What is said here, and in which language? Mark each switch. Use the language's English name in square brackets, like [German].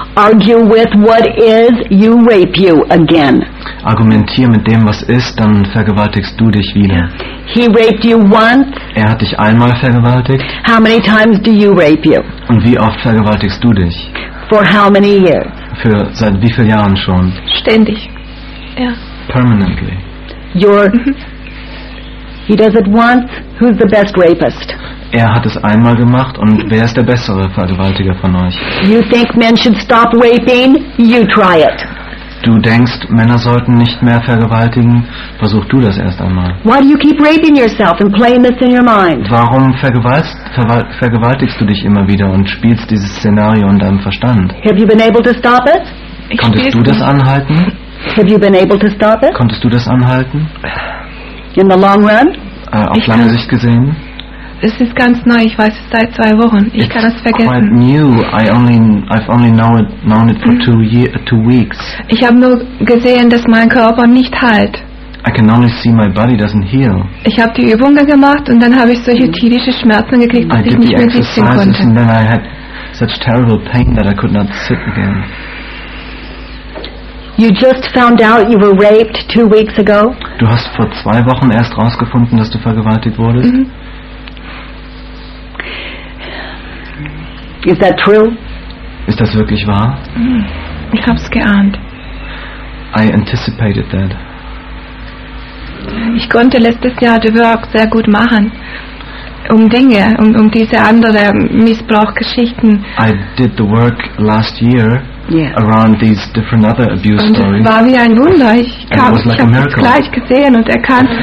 [English] Argue with what is, you rape you again. [German] Argumentier mit dem, was ist, dann vergewaltigst du dich wieder. [English] He raped you once. [German] Er hat dich einmal vergewaltigt. [English] How many times do you rape you? [German] Und wie oft vergewaltigst du dich? [English] For how many years? [German] Für seit wie vielen Jahren schon? Ständig. Ja. [English] Permanently. Your He does it once. Who's the best rapist? [German] Er hat es einmal gemacht und wer ist der bessere Vergewaltiger von euch? [English] You think men should stop raping? You try it. [German] Du denkst, Männer sollten nicht mehr vergewaltigen? Versuch du das erst einmal. [English] Why do you keep raping yourself and playing this in your mind? [German] Warum vergewaltigst du dich immer wieder und spielst dieses Szenario in deinem Verstand? [English] Have you been able to stop it? [German] Konntest du das anhalten? [English] Have you been able to stop it? [German] Konntest du das anhalten? [English] In the long run? [German] Auf lange Sicht gesehen? Es ist ganz neu, ich weiß es seit 2 Wochen. Ich [English] It's [German] kann das vergessen. [English] Quite new. I've only known it for two weeks. [German] Ich habe nur gesehen, dass mein Körper nicht heilt. [English] I can only see my body doesn't heal. [German] Ich habe die Übungen gemacht und dann habe ich solche tierische Schmerzen gekriegt, dass ich nicht mehr sitzen konnte. [English] I did the exercises and then I had such terrible pain that I could not sit again. You just found out you were raped 2 weeks ago? [German] Du hast vor 2 Wochen erst rausgefunden, dass du vergewaltigt wurdest. Mm-hmm. [English] Is that true? [German] Ist das wirklich wahr? Ich hab's geahnt. [English] I anticipated that. [German] Ich konnte letztes Jahr The Work sehr gut machen. Um Dinge, um diese andere Missbrauchgeschichten. [English] I did the work last year around these different other abuse [German] und [English] stories. [German] Und war wie ein Wunder. Ich kam, ich habe es gleich gesehen und erkannt.